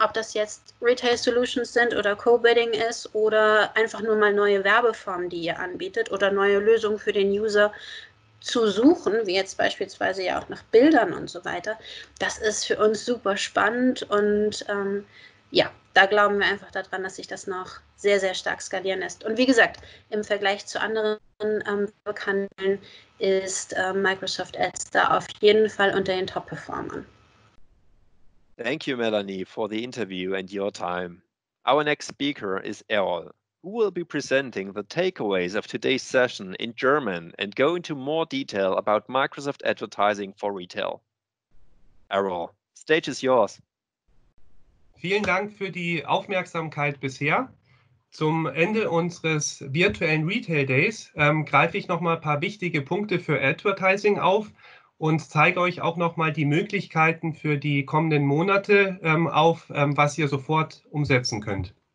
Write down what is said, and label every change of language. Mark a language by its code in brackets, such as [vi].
[de] Ob das jetzt Retail Solutions sind oder Co-Bidding ist oder einfach nur mal neue Werbeformen, die ihr anbietet oder neue Lösungen für den User zu suchen, wie jetzt beispielsweise ja auch nach Bildern und so weiter, das ist für uns super spannend und ja, da glauben wir einfach daran, dass sich das noch sehr, sehr stark skalieren lässt. Und wie gesagt, im Vergleich zu anderen Kanälen ist Microsoft Ads da auf jeden Fall unter den Top-Performern. [en] Thank you, Melanie, for the interview and your time. Our next speaker is Errol, who will be presenting the takeaways of today's session in German and go into more detail about Microsoft Advertising for Retail. Errol, stage is yours. [de] Vielen Dank für die Aufmerksamkeit bisher. Zum Ende unseres virtuellen Retail Days greife ich nochmal ein paar wichtige Punkte für Advertising auf und zeige euch auch nochmal die Möglichkeiten für die kommenden Monate was ihr sofort umsetzen könnt.